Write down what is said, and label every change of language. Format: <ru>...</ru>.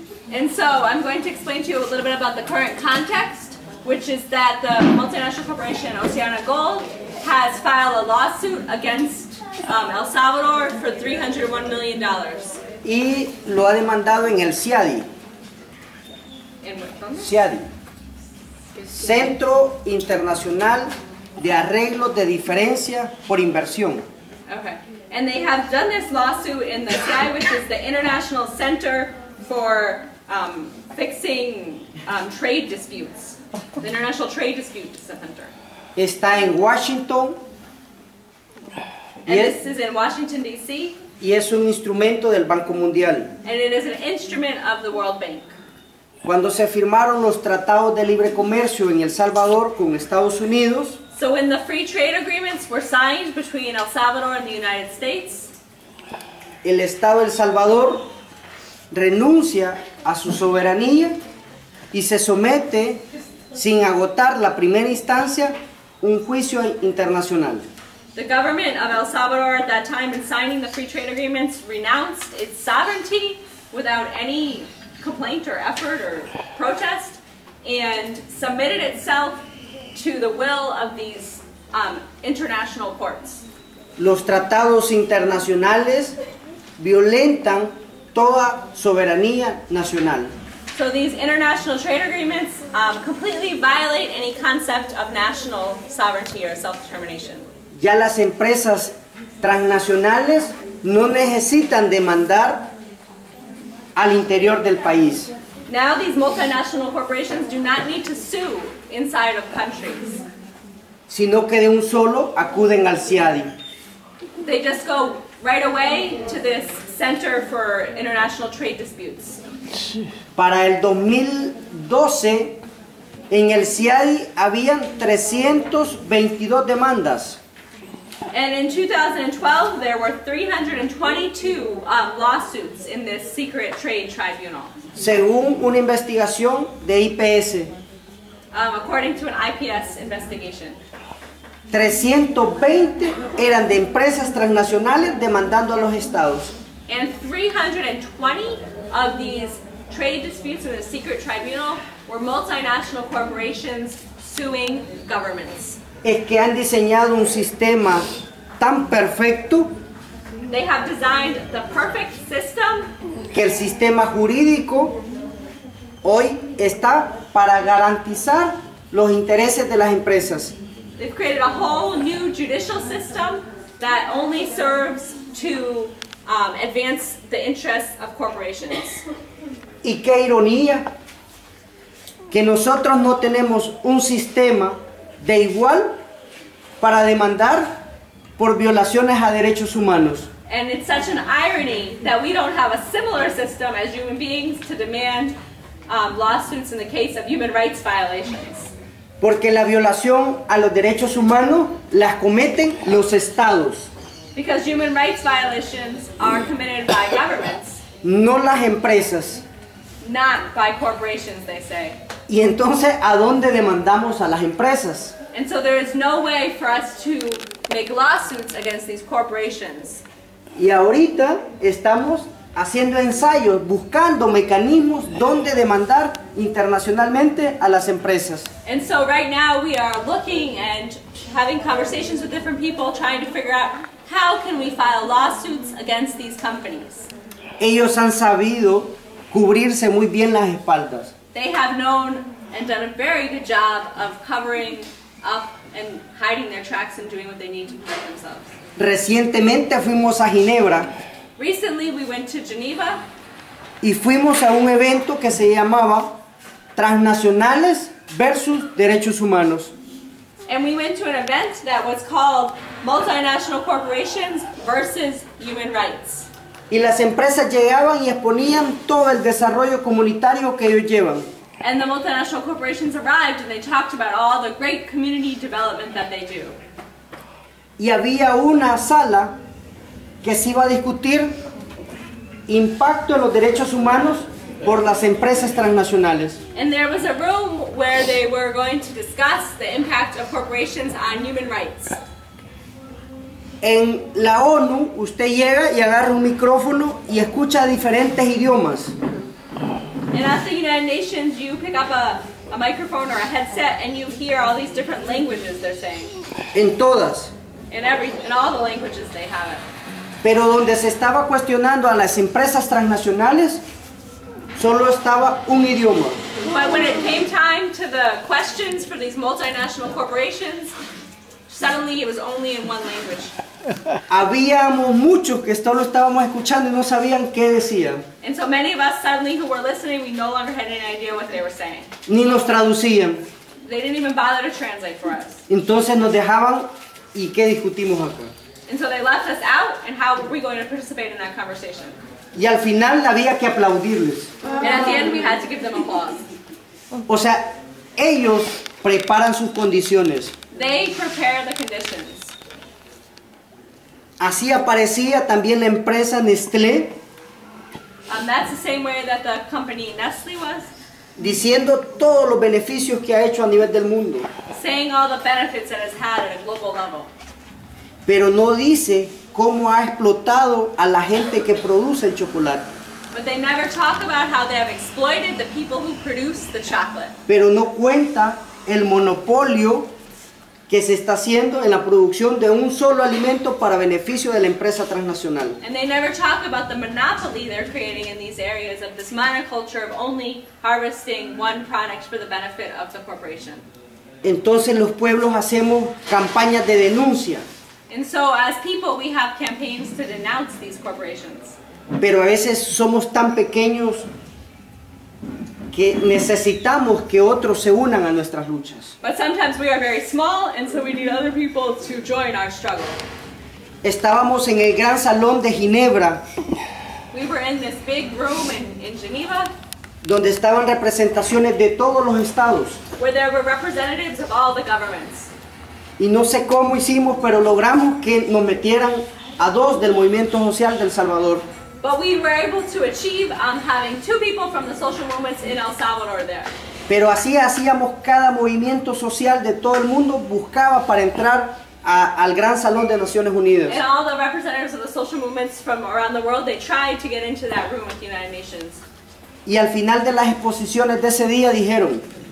<en>And so I'm going to explain to you a little bit about the current context, which is that the multinational corporation Oceana Gold has filed a lawsuit against El Salvador for $301 million.</en> <es>Y lo ha demandado en el CIADI. CIADI, Centro Internacional de Arreglos de Diferencia por Inversión.</es> <en>Okay. And they have done this lawsuit in the CIADI, which is the International Center for Fixing Trade Disputes. The International Trade Disputes Center.</en> <es>Está en Washington.</es> <en>And this is in Washington, D.C.</en> <es>Y es un instrumento del Banco Mundial.</es> <en>And it is an instrument of the World Bank.</en> <es>Cuando se firmaron los tratados de libre comercio en El Salvador con Estados Unidos.</es> <en>So when the free trade agreements were signed between El Salvador and the United States.</en> <es>El Estado de El Salvador renuncia a su soberanía y se somete, sin agotar la primera instancia, un juicio internacional.</es> <en>The government of El Salvador at that time in signing the free trade agreements renounced its sovereignty without any complaint or effort or protest and submitted itself to the will of these international courts.</en> <es>Los tratados internacionales violentan toda soberanía nacional.</es> <en>So these international trade agreements completely violate any concept of national sovereignty or self-determination.</en> <es>Ya las empresas transnacionales no necesitan demandar al interior del país.</es> <en>Now these multinational corporations do not need to sue inside of countries.</en> <es>Sino que de un solo acuden al CIADI.</es> <en>They just go right away to this Center for International Trade Disputes.</en> <es>Para el 2012, en el CIADI habían 322 demandas.</es> <en>And in 2012, there were 322 lawsuits in this secret trade tribunal.</en> <es>Según una investigación de IPS.</es> <en>According to an IPS investigation.</en> <es>320 eran de empresas transnacionales demandando a los estados.</es> <en>And 320 of these trade disputes in the secret tribunal were multinational corporations suing governments.</en> <es>Es que han diseñado un sistema tan perfecto.</es> <en>They have designed the perfect system.</en> <es>Que el sistema jurídico hoy está para garantizar los intereses de las empresas.</es> <en>They've created a whole new judicial system that only serves to advance the interests of corporations.</en> <es>Y qué ironía que nosotros no tenemos un sistema de igual para demandar por violaciones a derechos humanos.</es> <en>And it's such an irony that we don't have a similar system as human beings to demand lawsuits in the case of human rights violations.</en> <es>Porque la violación a los derechos humanos las cometen los estados.</es> <en>Because human rights violations are committed by governments.</en> <es>No las empresas.</es> <en>Not by corporations, they say.</en> <es>Y entonces, ¿a dónde demandamos a las empresas?</es> <en>And so there is no way for us to make lawsuits against these corporations.</en> <es>Y ahorita estamos haciendo ensayos, buscando mecanismos donde demandar internacionalmente a las empresas.</es> <en>And so right now we are looking and having conversations with different people trying to figure out how can we file lawsuits against these companies.</en> <es>Ellos han sabido cubrirse muy bien las espaldas.</es> <en>They have known and done a very good job of covering up and hiding their tracks and doing what they need to protect themselves.</en> <es>Recientemente fuimos a Ginebra.</es> <en>Recently we went to Geneva.</en> <es>Y fuimos a un evento que se llamaba Transnacionales versus Derechos Humanos.</es> <en>And we went to an event that was called Multinational Corporations versus Human Rights.</en> <es>Y las empresas llegaban y exponían todo el desarrollo comunitario que ellos llevan.</es> <en>And the multinational corporations arrived and they talked about all the great community development that they do.</en> <es>Y había una sala que se iba a discutir impacto en los derechos humanos por las empresas transnacionales.</es> <en>And there was a room where they were going to discuss the impact of corporations on human rights.</en> <es>En la ONU, usted llega y agarra un micrófono y escucha diferentes idiomas.</es> <en>And at the United Nations, you pick up a microphone or a headset and you hear all these different languages they're saying.</en> <es>En todas.</es> <en>In all the languages they have it.</en> <es>Pero donde se estaba cuestionando a las empresas transnacionales, solo estaba un idioma.</es> <en>But when it came time to the questions for these multinational corporations, suddenly it was only in one language.</en> <es>Habíamos muchos que solo estábamos escuchando y no sabían qué decían.</es> <en>And so many of us suddenly who were listening, we no longer had any idea what they were saying.</en> <es>Ni nos traducían.</es> <en>They didn't even bother to translate for us.</en> <es>Entonces nos dejaban, ¿y qué discutimos acá?</es> <en>And so they left us out, and how were we going to participate in that conversation?</en> <es>Y al final había que aplaudirles.</es> <en>And at the end we had to give them applause.</en> <es>O sea, ellos preparan sus condiciones.</es> <en>They prepare the conditions.</en> <es>Así aparecía también la empresa Nestlé.</es> <en>That's the same way that the company Nestlé was.</en> <es>Diciendo todos los beneficios que ha hecho a nivel del mundo.</es> <en>Saying all the benefits that it's had at a global level.</en> <es>Pero no dice cómo ha explotado a la gente que produce el chocolate.</es> <en>But they never talk about how they have exploited the people who produce the chocolate.</en> <es>Pero no cuenta el monopolio que se está haciendo en la producción de un solo alimento para beneficio de la empresa transnacional.</es> <en>And they never talk about the monopoly they're creating in these areas of this monoculture of only harvesting one product for the benefit of the corporation.</en> <es>Entonces los pueblos hacemos campañas de denuncia.</es> <en>And so as people we have campaigns to denounce these corporations.</en> <es>Pero a veces somos tan pequeños que necesitamos que otros se unan a nuestras luchas.</es> <en>But sometimes we are very small and so we need other people to join our struggle.</en> <es>Estábamos en el gran salón de Ginebra.</es> <en>We were in this big room in Geneva.</en> <es>Donde estaban representaciones de todos los estados.</es> <en>Where there were representatives of all the governments.</en> <es>Y no sé cómo hicimos, pero logramos que nos metieran a dos del movimiento social del Salvador.</es> <en>But we were able to achieve having two people from the social movements in El Salvador there.</en> <es>Pero así hacíamos cada movimiento social de todo el mundo buscaba para entrar al Gran Salón de Naciones Unidas.</es> <en>And all the representatives of the social movements from around the world, they tried to get into that room with the United Nations.</en> <es>Y al final de las exposiciones de ese día dijeron.</es>